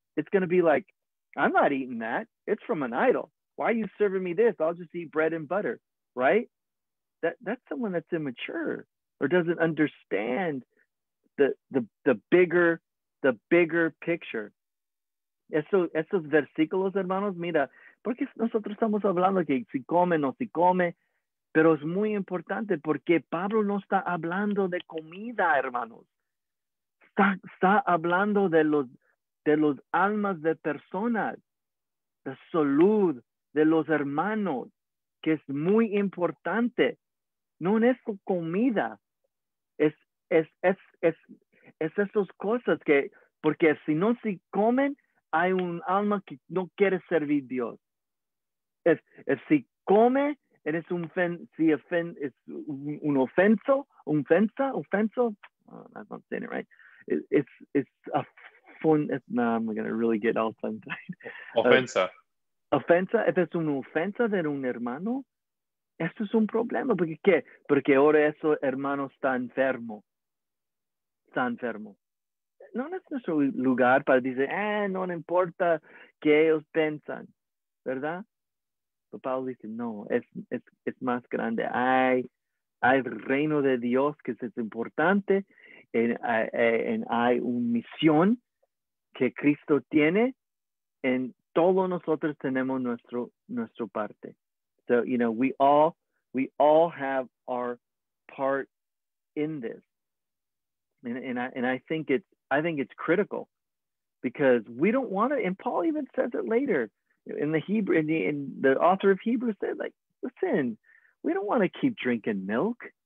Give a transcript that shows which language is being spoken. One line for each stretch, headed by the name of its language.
English: It's going to be like, I'm not eating that. It's from an idol. Why are you serving me this? I'll just eat bread and butter, right? That's someone that's immature or doesn't understand the bigger picture.
Spanish: Esos versículos, hermanos, mira, porque nosotros estamos hablando que si come, no si come, pero es muy importante porque Pablo no está hablando de comida, hermanos. Está hablando de los almas de personas, la salud de los hermanos, que es muy importante. No es comida, es esas cosas que, porque si no se comen, hay un alma que no quiere servir a Dios. Es si come, eres un ofenso, oh,
English: I'm not saying it right. I'm going to really get all tongue-tied.
Spanish: Ofensa. Ofensa, if es una ofensa de un hermano, esto es un problema. ¿Por qué? Porque ahora ese hermano está enfermo. Está enfermo. No es nuestro lugar para decir, no importa qué ellos piensan, ¿verdad? Pero Pablo dice, no, es más grande. Hay reino de Dios que es importante. En hay una misión que Cristo tiene, en todos nosotros tenemos nuestro parte.
English: So, you know, we all have our part in this. And I think it's critical, because we don't want to, and Paul even says it later in the Hebrew, in the author of Hebrews said, like, listen, we don't want to keep drinking milk.